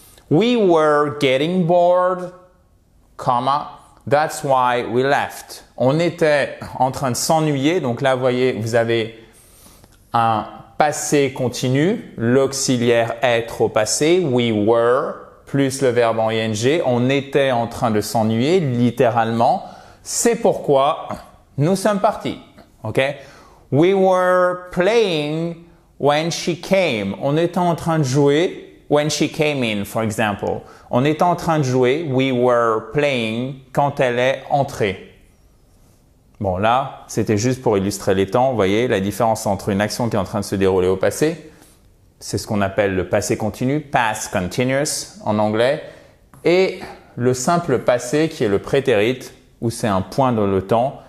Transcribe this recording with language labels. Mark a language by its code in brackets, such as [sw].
[en] We were getting bored, comma, that's why we left. [fr] On était en train de s'ennuyer. Donc là, vous voyez, vous avez un passé continu, l'auxiliaire être au passé. [en] We were, [fr] plus le verbe en ing. On était en train de s'ennuyer, littéralement. C'est pourquoi nous sommes partis. OK? [en] We were playing when she came, [fr] on était en train de jouer, [en] when she came in, for example. [fr] On était en train de jouer, [en] we were playing, [fr] quand elle est entrée. Bon, là, c'était juste pour illustrer les temps. Vous voyez, la différence entre une action qui est en train de se dérouler au passé, c'est ce qu'on appelle le passé continu, past continuous en anglais, et le simple passé qui est le prétérite, où c'est un point dans le temps.